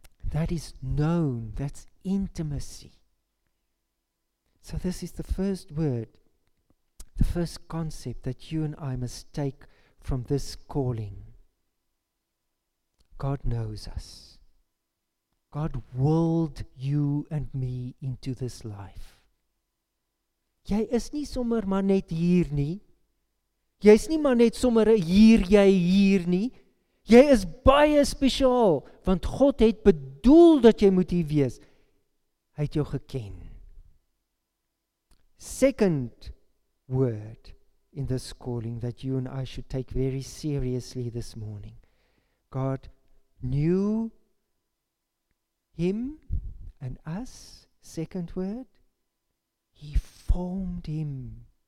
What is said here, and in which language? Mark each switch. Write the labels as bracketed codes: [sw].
[en] That is known, that's intimacy. So this is the first word, the first concept that you and I must take from this calling. God knows us. God willed you and me into this life. [af] Jy is nie sommer maar net hier nie. Jy is nie maar net sommer hier nie. Jy is baie spesiaal, want God het bedoel dat jy moet hier wees. Hy het jou geken. [en] Second word in this calling that you and I should take very seriously this morning. God knew him and us. Second word, he formed him.